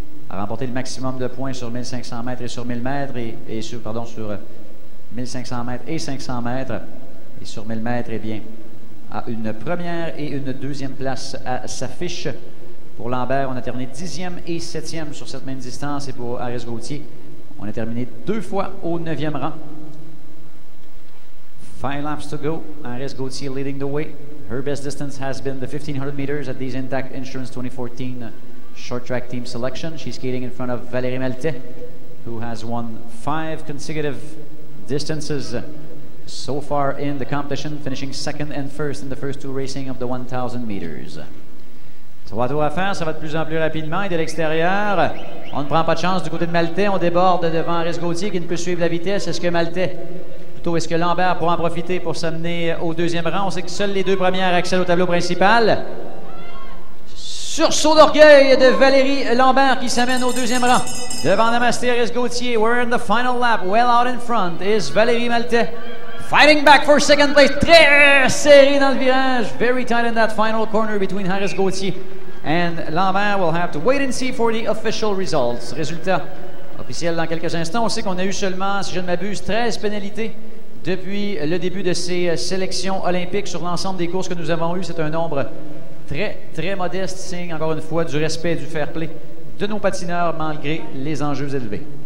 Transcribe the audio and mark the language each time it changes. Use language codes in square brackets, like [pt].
[fr] A remporté le maximum de points sur 1500 mètres et sur 1000 mètres sur 1500 mètres et 500 mètres. Et sur 1000 mètres, eh bien, à une première et une deuxième place à sa fiche. Pour Lambert, on a terminé 10e et 7e sur cette même distance. Et pour Aris Gauthier, on a terminé deux fois au 9e rang. [en] Five laps to go. Aris Gauthier leading the way. Her best distance has been the 1500 meters at these Intact Insurance 2014 short track team selection. She's skating in front of Valérie Maltais, who has won five consecutive distances so far in the competition, finishing second and first in the first two racing of the 1000 meters. [fr] Trois tours à faire, ça va de plus en plus rapidement et de l'extérieur. On ne prend pas de chance du côté de Maltais, on déborde devant Aris Gauthier qui ne peut suivre la vitesse. Est-ce que Maltais, plutôt est-ce que Lambert pourra en profiter pour s'amener au deuxième rang? On sait que seules les deux premières accèdent au tableau principal. Sursaut d'orgueil de Valérie Lambert qui s'amène au deuxième rang. [en] Devant Namasté, Aris Gauthier, we're in the final lap, well out in front is Valérie Maltais. Fighting back for second place, [fr] très serré dans le virage, [en] very tight in that final corner between Aris Gauthier and Lambert. We'll have to wait and see for the official results. [fr] Résultat officiel dans quelques instants. On sait qu'on a eu seulement, si je ne m'abuse, 13 pénalités depuis le début de ces sélections olympiques sur l'ensemble des courses que nous avons eues. C'est un nombre très, très modeste, signe encore une fois du respect et du fair play de nos patineurs malgré les enjeux élevés.